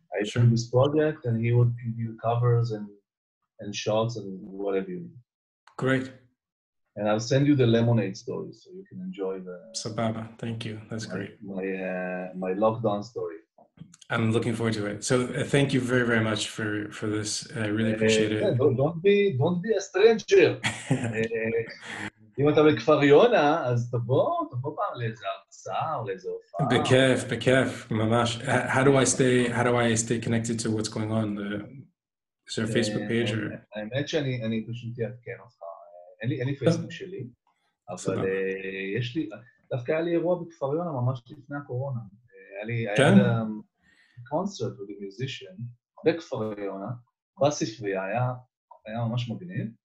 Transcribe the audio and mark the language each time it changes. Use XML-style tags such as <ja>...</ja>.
<en>I share this project and he would give you covers and shots and whatever you need. Great. And I'll send you the lemonade story so you can enjoy the Sababa. Thank you, that's great. My lockdown story. I'm looking forward to it. So thank you very, very much for this. I really appreciate it. Don't be a stranger.</en> <he>אם אתה בכפר יונה, אז תבוא פעם לאיזה הרצאה או לאיזה הופעה. בכיף, בכיף, ממש.</he> <en>How do I stay connected to what's going on? Is there a Facebook page?</en> <he>האמת שאני פשוט אעדכן אותך. אין לי פייסבוק שלי, אבל יש לי, דווקא היה לי אירוע בכפר יונה ממש לפני הקורונה. היה לי קונצרט</he> <en>with a musician</en> <he>בכפר יונה, בספרייה, היה ממש מגניב.</he>